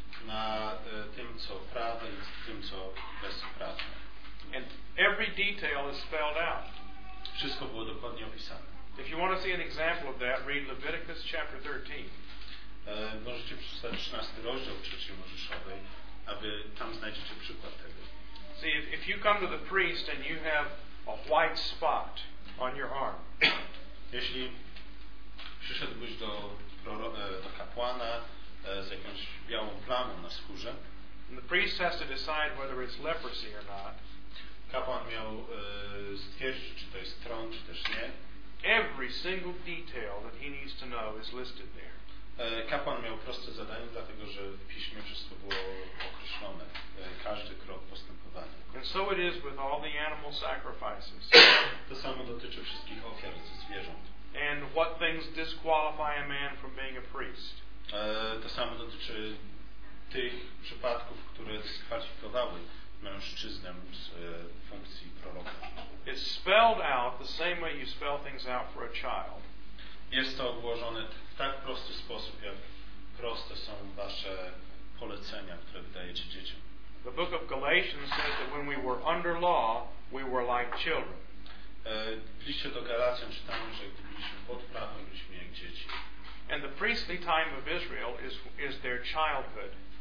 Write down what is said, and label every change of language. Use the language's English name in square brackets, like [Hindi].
[Polish] Na tym, co prawe i tym, co bezprawne. [English] And every detail is spelled out. [Polish] Wszystko było dokładnie opisane. [English] If you want to see an example of that, read Leviticus chapter 13. [Polish] Możecie przeczytać 13 rozdział trzeciej Mojżeszowej, aby tam znajdziecie przykład tego. [English] See, if you come to the priest and you have a white spot on your arm. [Polish] Jeśli przyszedłbyś do kapłana z jakąś białą plamą na skórze, [English] and the priest has to decide whether it's leprosy or not. [Polish] Kapłan miał stwierdzić, czy to jest trąd, czy też nie. [English] Every single detail that he needs to know is listed there. [Polish] Kapłan miał proste zadanie, dlatego że w piśmie wszystko było określone, każdy krok postępowania. [English] And so it is with all the animal sacrifices. [Polish] To samo dotyczy wszystkich ofiar ze zwierząt. [English] And what things disqualify a man from being a priest. [Polish] To samo dotyczy tych przypadków, które dyskwalifikowały mężczyznę z funkcji proroka. [English] It's spelled out the same way you spell things out for a child. [Polish] Jest to ułożone w tak prosty sposób, jak proste są wasze polecenia, które wydajecie dzieciom. [English] The book of Galatians says that when we were under law, we were like children. [Polish] W liście do Galacjan czytamy, że gdy byliśmy pod prawem, byliśmy jak dzieci. [English] And the priestly time of Israel is their childhood.